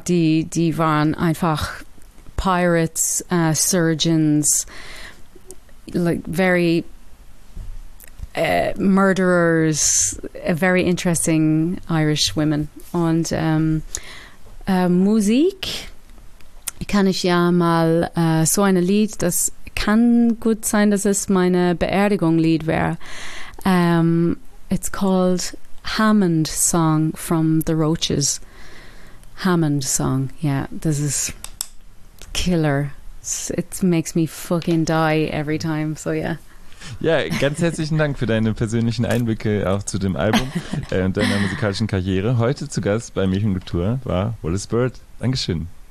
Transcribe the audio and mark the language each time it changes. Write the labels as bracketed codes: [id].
[de] Die waren einfach [en] Pirates, Surgeons, like very murderers, very interesting Irish women. [de] Und Musik kann ich ja mal so ein Lied, das kann gut sein, dass es meine Beerdigung-Lied wäre. [en] It's called Hammond Song from the Roaches. Hammond Song, yeah, this is killer. It makes me fucking die every time, so yeah. [de] Ja, ganz herzlichen Dank für deine persönlichen Einblicke auch zu dem Album und deiner musikalischen Karriere. Heute zu Gast bei Milch und Kultur war Wallace Bird. Dankeschön.